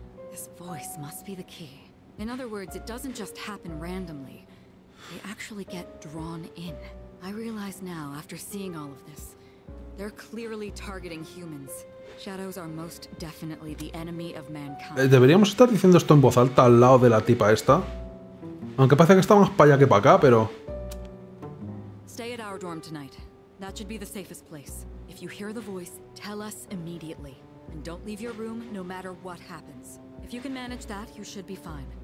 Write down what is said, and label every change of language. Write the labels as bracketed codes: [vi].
[en] This voice must be the key. In other words, it doesn't just happen randomly. They actually get drawn in. I realize now, after seeing all of this, they're clearly targeting humans. Shadows are most definitely the enemy of mankind. [es] Deberíamos estar diciendo esto en voz alta al lado de la tipa esta. Aunque parece que está más para allá que para acá, pero... [en] Stay at our dorm tonight. That should be the safest place. If you hear the voice, tell us immediately. And don't leave your room, no matter what happens. If you can manage that, you should be fine.